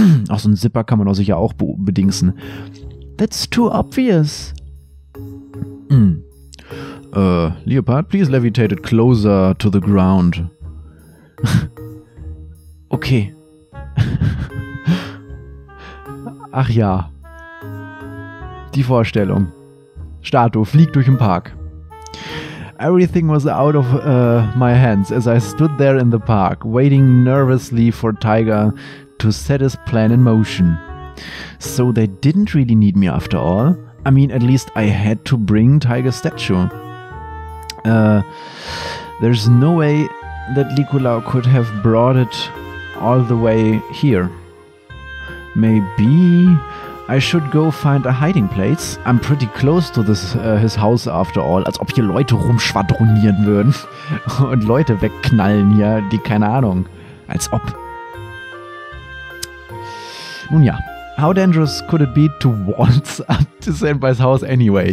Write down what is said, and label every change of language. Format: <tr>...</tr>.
<de>Auch so ein Zipper kann man doch sicher auch bedingsen.</de> <en>That's too obvious. Leopard, please levitate it closer to the ground. Okay.</en> <de>Ach ja. Die Vorstellung. Statue fliegt durch den Park.</de> <en>Everything was out of my hands as I stood there in the park, waiting nervously for Tiger to set his plan in motion. So they didn't really need me after all. I mean, at least I had to bring Tiger's statue. There's no way that Licula could have brought it all the way here. Maybe... I should go find a hiding place. I'm pretty close to this his house after all.</en> <de>Als ob hier Leute rumschwadronieren würden und Leute wegknallen hier, die keine Ahnung. Als ob. Nun ja.</de> <en>How dangerous could it be to waltz up to Senpai's house anyway?</en>